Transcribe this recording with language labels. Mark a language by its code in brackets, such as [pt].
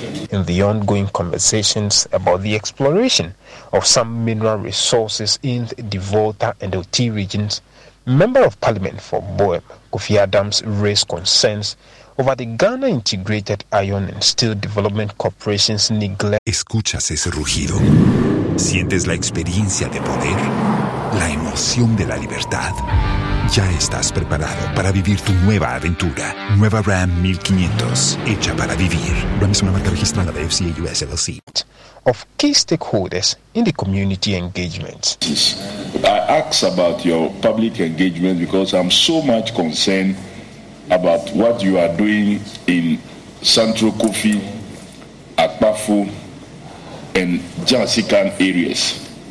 [en] In the ongoing conversations about the exploration of some mineral resources in the Volta and Oti regions, Member of Parliament for Boem, Kofi Adams, raised concerns over the Ghana Integrated Iron and Steel Development Corporation's neglect. [es] ¿Escuchas ese rugido? ¿Sientes la experiencia de poder? la emoción de la libertad. Ya estás preparado para vivir tu nueva aventura. Nueva Ram 1500, hecha para vivir. Ram es una marca registrada de FCA US LLC. [en] Of key stakeholders in the community engagement. I ask about your public engagement because I'm so much concerned about what you are doing in Central Kofi, Akpafu, and Jansikan areas.